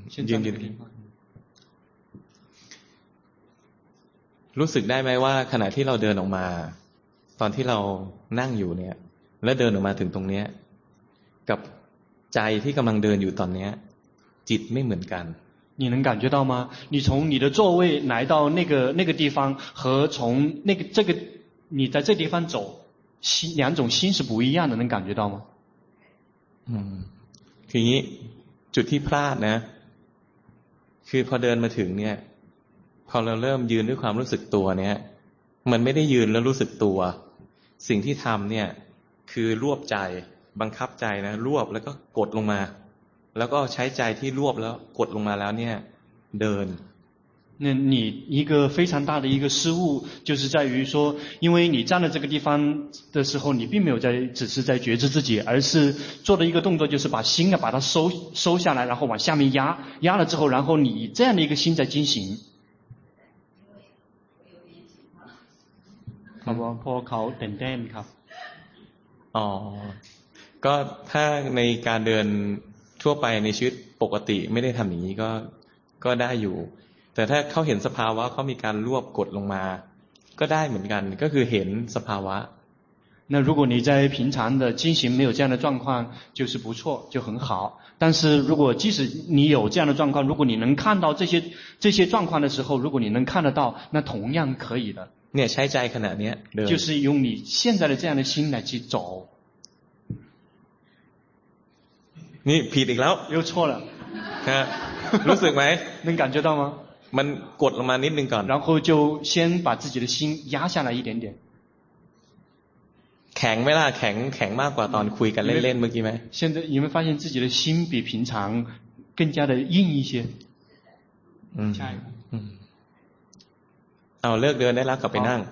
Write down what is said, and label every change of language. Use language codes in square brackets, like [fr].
[th] ยืนรู้สึกได้ไหมว่าขณะที่เราเดินออกมาตอนที่เรานั่งอยู่เนี่ยแล้วเดินออกมาถึงตรงเนี้ยกับใจที่กำลังเดินอยู่ตอนเนี้ยจิตไม่เหมือนกัน [zh] 你能感觉到吗你从你的座位来到那个地方和从那个这个你在这地方走心两种心是不一样的能感觉到吗 [th] ทีนี้จุดที่พลาดนะคือพอเดินมาถึงเนี่ยพอเราเริ่มยืนด้วยความรู้สึกตัวเนี่ยมันไม่ได้ยืนแล้วรู้สึกตัวสิ่งที่ทำเนี่ยคือรวบใจบังคับใจนะรวบแล้วก็กดลงมาแล้วก็ใช้ใจที่รวบแล้วกดลงมาแล้วเนี่ยเดิน [zh] 那你一个非常大的一个失误就是在于说因为你站在这个地方的时候你并没有在只是在觉知自己而是做的一个动作就是把心啊把它收下来然后往下面压了之后然后你这样的一个心在进行好不好 [th] พอเขาเดินครับ 哦ก็ถ้าในการเดินทั่วไปในชีวิตปกติไม่ได้ทำอย่างนี้ก็ได้อยู่แต่ถ้าเขาเห็นสภาวะเขามีการรวบกดลงมาก็ได้เหมือนกันก็คือเห็นสภาวะ [zh] 那如果你在平常的进行没有这样的状况就是不错就很好但是如果即使你有这样的状况如果你能看到这些状况的时候如果你能看得到那同样可以的 [th] เนี่ยใช้ใจขนาดเนี้ย [zh] 就是用你现在的这样的心来去走 [th] นี่ผิดอีกแล้ว [zh] 又错了 [th] ฮะรู้สึกไหม [zh] 能感觉到吗 [th] มันกดลงมานิดนึงก่อน [zh] 然后就先把自己的心压下来一点点 [th] แข็งไหมล่ะแข็งมากกว่าตอนคุยกันเล่นๆเมื่อกี้ไหม [zh] 现在你们发现自己的心比平常更加的硬一些 [th] ใช่เอาเลิกเดินได้แล้วกลับไปนั่ง